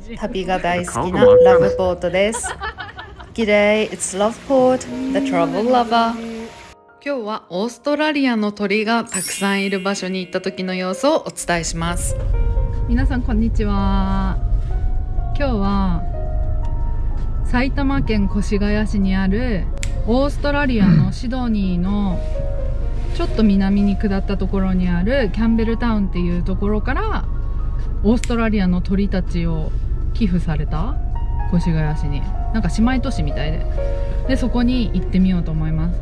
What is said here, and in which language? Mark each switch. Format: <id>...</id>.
<ja>旅が大好きなラブポートです。</ja> <en>G'day, it's Love Port, the Travel Lover.</en> <ja>今日はオーストラリアの鳥がたくさんいる場所に行った時の様子をお伝えします。皆さんこんにちは。今日は埼玉県越谷市にあるオーストラリアのシドニーのちょっと南に下ったところにあるキャンベルタウンっていうところからオーストラリアの鳥たちを寄付された越谷市に、なんか姉妹都市みたいで、でそこに行ってみようと思います。</ja>